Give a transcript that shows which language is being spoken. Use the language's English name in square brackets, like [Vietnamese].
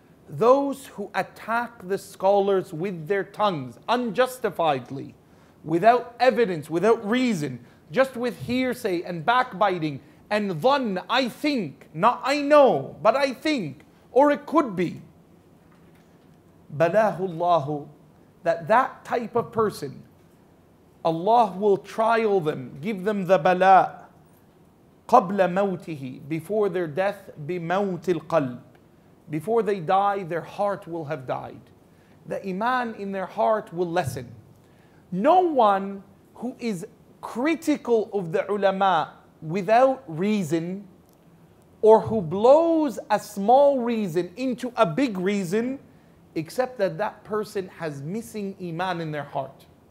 [English] Those who attack the scholars with their tongues, unjustifiedly, without evidence, without reason, just with hearsay and backbiting, and ظن, I think, not I know, but I think, or it could be. [Arabic] بَلَاهُ اللَّهُ. [English] That type of person, Allah will trial them, give them the bala. [Arabic] قبل موته, [English] before their death, [Arabic] بموت القلب. [English] Before they die, their heart will have died. The iman in their heart will lessen. No one who is critical of the ulama without reason, or who blows a small reason into a big reason, except that that person has missing iman in their heart.